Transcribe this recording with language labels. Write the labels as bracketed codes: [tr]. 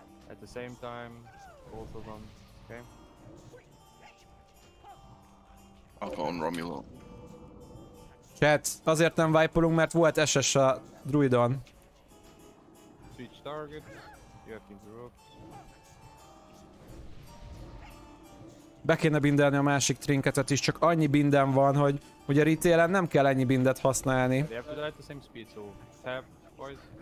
[en] At the same time, both of them, okay? Alpha on Romulo. [hu] Chat, azért nem wipe-olunk, mert volt SS a druidon. [en] Switch target, you have to interrupt. [hu] Be kéne bindelni a másik trinketet is, csak annyi binden van, hogy ugye retailen nem kell ennyi bindet használni. [en] They have to die at the same speed, so tap, boys.